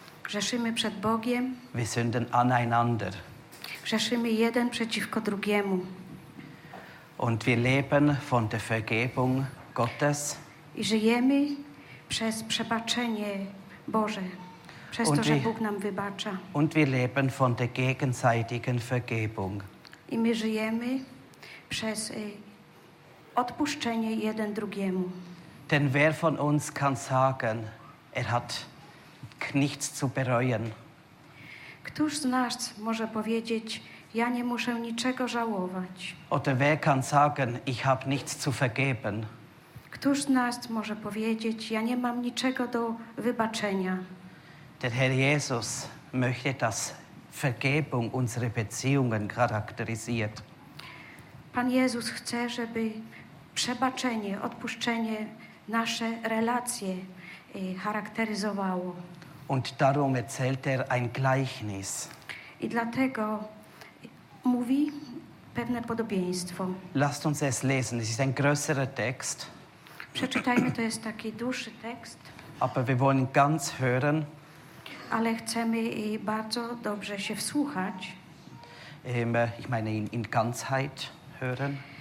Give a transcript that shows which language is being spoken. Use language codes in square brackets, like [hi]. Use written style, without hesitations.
[pl] Grzeszymy przed Bogiem. [de] Wir sünden aneinander. [pl] Grzeszymy jeden przeciwko drugiemu. [de] Und wir leben von der Vergebung Gottes. [pl] I żyjemy przez przebaczenie Boże. Przez to, że Bóg nam wybacza. [de] Und wir leben von der gegenseitigen Vergebung. [pl] I my żyjemy przez odpuszczenie jeden drugiemu. [de] Denn wer von uns kann sagen, er hat nichts zu bereuen? [pl] Któż z nas może powiedzieć, ja nie muszę niczego żałować? [de] Oder wer kann sagen, ich habe nichts zu vergeben? [pl] Któż z nas może powiedzieć, ja nie mam niczego do wybaczenia? [de] Der Herr Jesus möchte, dass Vergebung unsere Beziehungen charakterisiert. [pl] Pan Jezus chce, żeby przebaczenie, odpuszczenie nasze relacje charakteryzowało. [de] Und darum erzählt ein Gleichnis. [pl] I dlatego mówi pewne podobieństwo. [de] Lasst uns es lesen, es ist ein größerer Text. [pl] Przeczytajmy, to jest taki dłuższy tekst. [de] Aber wir wollen ganz hören. [pl] Ale chcemy bardzo dobrze się wsłuchać. [de] Ich meine in Ganzheit hören.